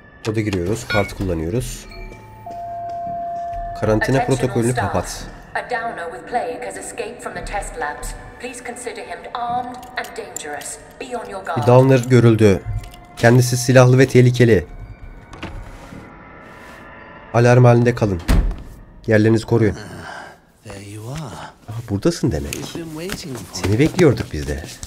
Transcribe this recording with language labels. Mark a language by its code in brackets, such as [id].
[tr] Oda giriyoruz. Kart kullanıyoruz. Karantina protokolünü kapat. [en] A downer with plague has escaped from the test labs. Please consider him armed and dangerous. Be on your guard. [tr] Bir downer görüldü. Kendisi silahlı ve tehlikeli. Alarm halinde kalın. Yerlerinizi koruyun. [en] There you are. [tr] Aha, buradasın demek. Seni bekliyorduk biz de.